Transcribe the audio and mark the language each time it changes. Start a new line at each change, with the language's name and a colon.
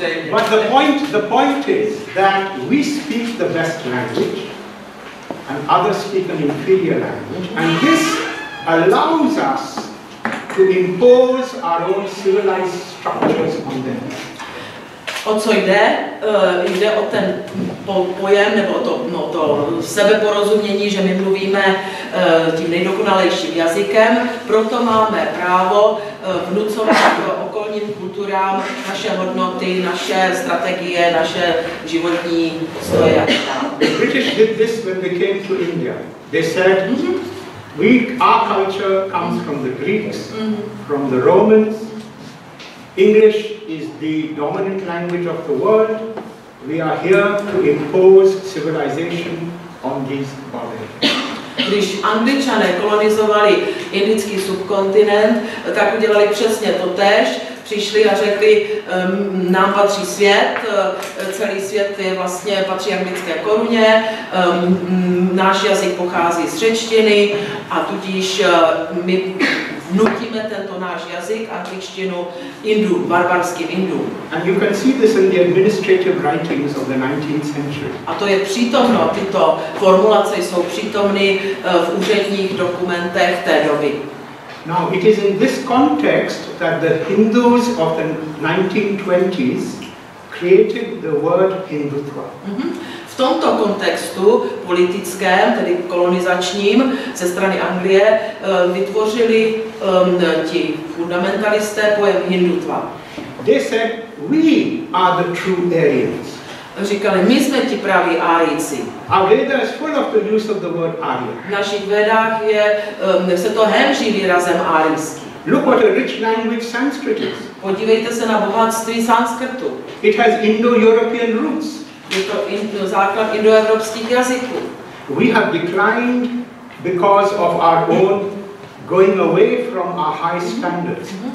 English: But the point is that we speak the best language and others speak an inferior language and this allows us to impose our own civilized structures on them.
Czech: O co jde? Jde o ten pojem nebo to, no to sebeporozumění, že my mluvíme tím nejdokonalejším jazykem, proto máme právo vnucovat okolní rozumět kulturám, naše hodnoty, naše strategie, naše životní postoje.
English: The British did this when they came to India. They said, our culture comes from the Greeks, from the Romans. English is the dominant language of the world. We are here to impose civilization on these barbarians.
Czech: Když Angličané kolonizovali indický subkontinent, tak udělali přesně to též. Přišli a řekli, nám patří svět, celý svět je vlastně patří anglické koruně, náš jazyk pochází z řečtiny a tudíž my nutíme tento náš jazyk angličtinu Indům, barbarským Indům.
English: And you can see this in the administrative writings of the 19th century.
Czech: A to je přítomno, tyto formulace jsou přítomny v úředních dokumentech té doby.
English: Now it is in this context that the Hindus of the 1920s created the word Hindutva.
Czech: V tomto kontextu politickém, tedy kolonizačním ze strany Anglie vytvořili ti fundamentalisté pojem Hindutva.
English: They said we are the true Aryans.
Czech: Říkali, my jsme ti praví Árijci.
English: Our Veda is full of the use of the word Arya.
Czech: V našich Vedách je, se to hemží výrazem árijský.
English: Look what a rich language Sanskrit is.
Czech: Podívejte se na bohatství sanskrtu.
English: It has Indo-European roots.
Czech: Je to základ indoevropských jazyků.
English: We have declined because of our own going away from our high standards.